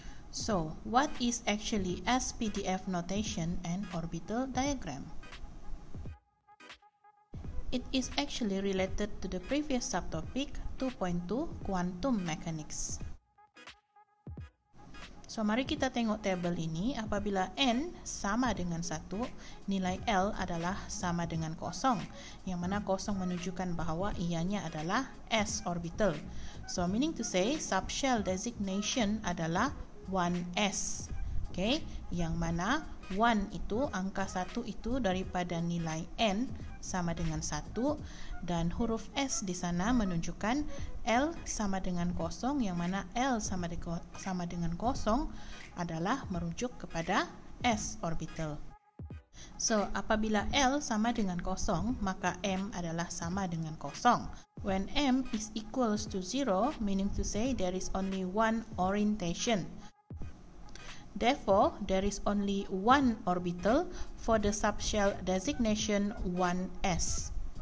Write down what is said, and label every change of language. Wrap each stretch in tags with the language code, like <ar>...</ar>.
<en>So what is actually SPDF notation and orbital diagram? It is actually related to the previous subtopic 2.2 quantum mechanics.</en> <ms>So mari kita tengok tabel ini. Apabila n sama dengan 1, nilai l adalah sama dengan 0, yang mana 0 menunjukkan bahwa ianya adalah s orbital.</ms> <en>So meaning to say subshell designation adalah 1s.</en> <ms>Okay, yang mana 1 itu angka 1 itu daripada nilai n sama dengan 1, dan huruf S di sana menunjukkan L sama dengan 0, yang mana L sama dengan 0 adalah merujuk kepada S orbital. So, apabila L sama dengan 0, maka M adalah sama dengan 0.</ms> <en>When M is equals to 0, meaning to say there is only one orientation. Therefore, there is only one orbital for the subshell designation 1s.</en>